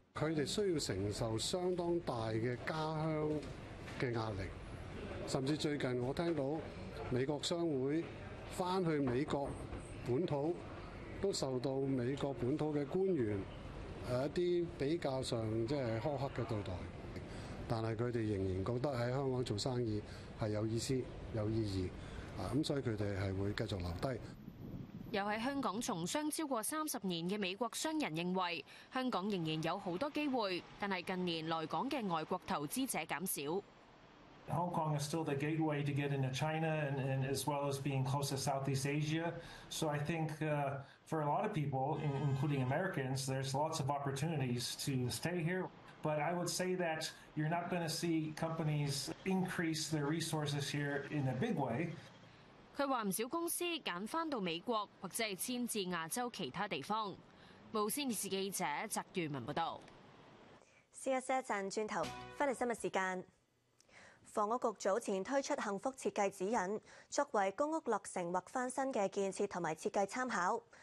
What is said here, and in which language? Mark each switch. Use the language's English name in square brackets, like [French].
[Cantonese] 他們需要承受相當大的家鄉的壓力，甚至最近我聽到美國商會回去美國本土都受到美國本土的官員一些比較上即係苛刻的對待，但是他們仍然覺得在香港做生意是有意思、有意義，所以他們是會繼續留下。又在香港從商超過30年的美國商人認為，香港仍然有很多機會，但是近年來港的外國投資者減少。 [English] Hong Kong is still the gateway to get into China and as well as being close to Southeast Asia. So I think for a lot of people, including Americans, there's lots of opportunities to stay here. But I would say that you're not going to see companies increase their resources here in a big way. [Cantonese] 他說不少公司選回到美國或者遷至亞洲其他地方。無線電視記者翟裕文報導。試一試陣轉頭回來新聞時間。房屋局早前推出幸福设计指引，作为公屋落成或翻新的建设和设计参考。